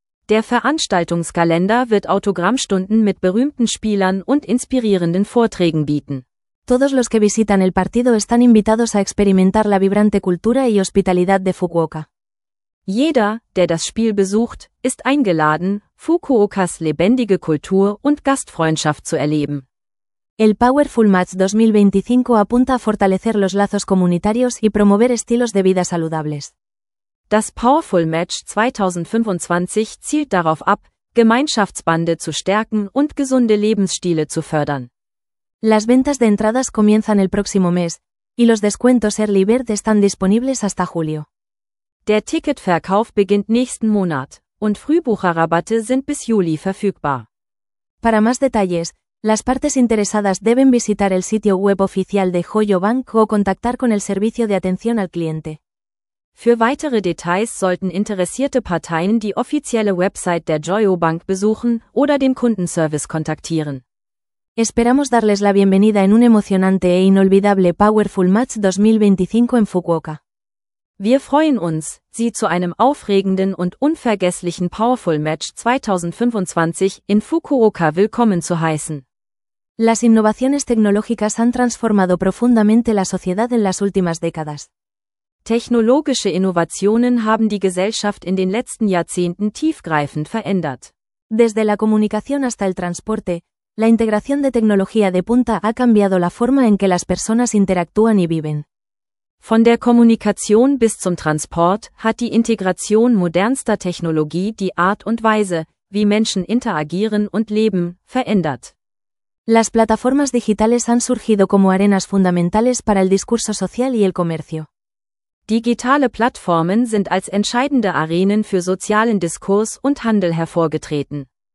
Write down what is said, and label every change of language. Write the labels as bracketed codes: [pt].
[de] Der Veranstaltungskalender wird Autogrammstunden mit berühmten Spielern und inspirierenden Vorträgen bieten. [es] Todos los que visitan el partido están invitados a experimentar la vibrante cultura y hospitalidad de Fukuoka. [de] Jeder, der das Spiel besucht, ist eingeladen, Fukuokas lebendige Kultur und Gastfreundschaft zu erleben. [es] El Powerful Match 2025 apunta a fortalecer los lazos comunitarios y promover estilos de vida saludables. [de] Das Powerful Match 2025 zielt darauf ab, Gemeinschaftsbande zu stärken und gesunde Lebensstile zu fördern. [es] Las ventas de entradas comienzan el próximo mes, y los descuentos Early Bird están disponibles hasta julio. [de] Der Ticketverkauf beginnt nächsten Monat, und Frühbucherrabatte sind bis Juli verfügbar. [es] Para más detalles, las partes interesadas deben visitar el sitio web oficial de Hoyo Bank o contactar con el servicio de atención al cliente. [de] Für weitere Details sollten interessierte Parteien die offizielle Website der Joyo Bank besuchen oder den Kundenservice kontaktieren. [es] Esperamos darles la bienvenida en un emocionante e inolvidable Powerful Match 2025 en Fukuoka. [de] Wir freuen uns, Sie zu einem aufregenden und unvergesslichen Powerful Match 2025 in Fukuoka willkommen zu heißen. [es] Las innovaciones tecnológicas han transformado profundamente la sociedad en las últimas décadas. [de] Technologische Innovationen haben die Gesellschaft in den letzten Jahrzehnten tiefgreifend verändert. [es] Desde la comunicación hasta el transporte, la integración de tecnología de punta ha cambiado la forma en que las personas interactúan y viven. [de] Von der Kommunikation bis zum Transport hat die Integration modernster Technologie die Art und Weise, wie Menschen interagieren und leben, verändert. [es] Las plataformas digitales han surgido como arenas fundamentales para el discurso social y el comercio. [de] Digitale Plattformen sind als entscheidende Arenen für sozialen Diskurs und Handel hervorgetreten.